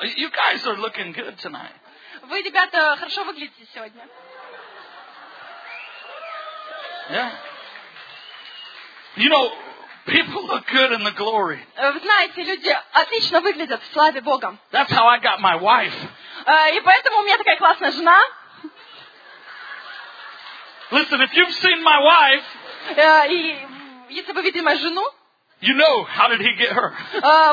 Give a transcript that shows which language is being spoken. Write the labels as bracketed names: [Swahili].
[English] You guys are looking good tonight. [Russian] Вы, ребята, хорошо выглядите сегодня. [English] Yeah. You know, people look good in the glory. [Russian] Вы знаете, люди отлично выглядят в славе Бога. [English] That's how I got my wife. [Russian] И поэтому у меня такая классная жена. [English] Listen, if you've seen my wife. [Russian] И если вы видели мою жену. [English] You know, how did he get her?